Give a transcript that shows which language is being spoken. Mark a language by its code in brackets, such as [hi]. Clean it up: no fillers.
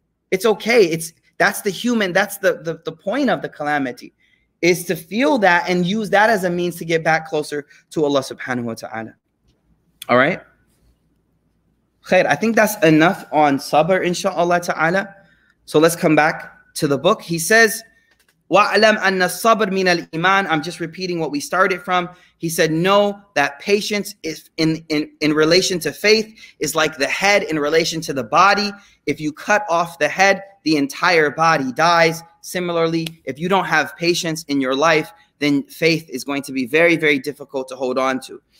[en] It's okay, that's the point of the calamity, is to feel that and use that as a means to get back closer to Allah subhanahu wa ta'ala. All right? Khair, I think that's enough on sabr inshaAllah ta'ala. So let's come back to the book. He says, [ar] وَعْلَمْ أَنَّ الصَّبْرِ مِنَ الْإِيمَانِ. [en] I'm just repeating what we started from. He said, know that patience in relation to faith is like the head in relation to the body. If you cut off the head, the entire body dies. Similarly, if you don't have patience in your life, then faith is going to be very, very difficult to hold on to.